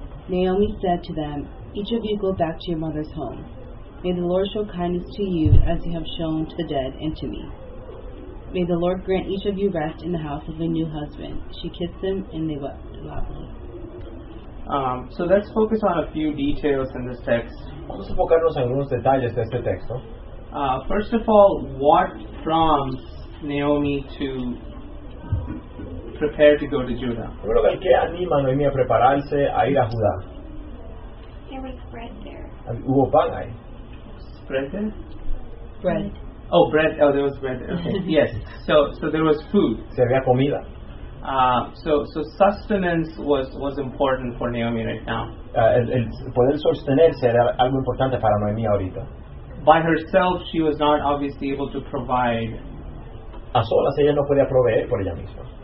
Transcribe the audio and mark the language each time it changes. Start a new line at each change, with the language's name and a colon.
English: Naomi said to them, "Each of you go back to your mother's home. May the Lord show kindness to you as you have shown to the dead and to me. May the Lord grant each of you rest in the house of a new husband." She kissed them and they wept loudly. So let's focus on a few details in this text.
Spanish: Vamos a enfocarnos en algunos detalles de este texto.
English: First of all, what prompts Naomi to prepare to go to Judah?
Spanish: Primero, ¿qué anima a Naomi a prepararse a ir a Judá?
English: There was bread there.
Spanish: ¿Hubo pan ahí?
English: ¿Bread there? Bread. Oh, bread. Oh, there was bread there. Okay. Yes. So there was food.
Spanish: Se había comida.
English: So sustenance was important for Naomi right now.
Spanish: El poder sostenerse era algo importante para Naomi ahorita.
English: By herself, she was not obviously able to provide.
Spanish: A solas ella no podía proveer por ella misma.